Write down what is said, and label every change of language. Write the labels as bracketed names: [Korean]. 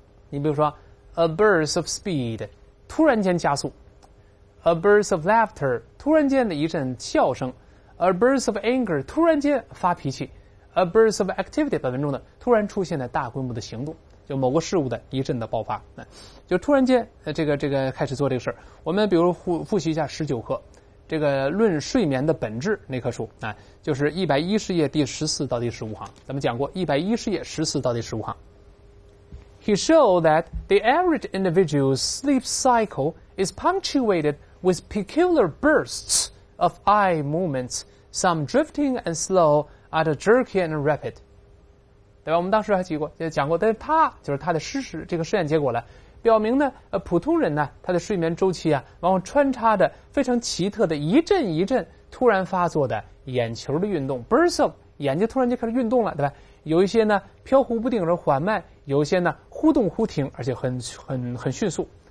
[Chinese] 你比如说 [English] a burst of speed [Chinese] 突然间加速 ， [English] a burst of laughter [Chinese] 突然间的一阵笑声 ， [English] a burst of anger [Chinese] 突然间发脾气 ， [English] a burst of activity [Chinese] 本文中的突然出现的大规模的行动，就某个事物的一阵的爆发，就突然间这个开始做这个事儿。我们比如复习一下十九课这个论睡眠的本质那棵树啊，就是110页第14到第15行，咱们讲过110页14到第15行。 [English] He showed that the average individual's sleep cycle is punctuated with peculiar bursts of eye movements, some drifting and slow, others jerky and rapid. [Chinese] 对吧？我们当时还讲过，但是他就是他的这个实验结果了，表明呢，普通人呢，他的睡眠周期啊，往往穿插着非常奇特的一阵一阵突然发作的眼球的运动 ，bursts of 眼睛突然就开始运动了，对吧？有一些呢飘忽不定而缓慢，有一些呢忽动忽停，而且很迅速。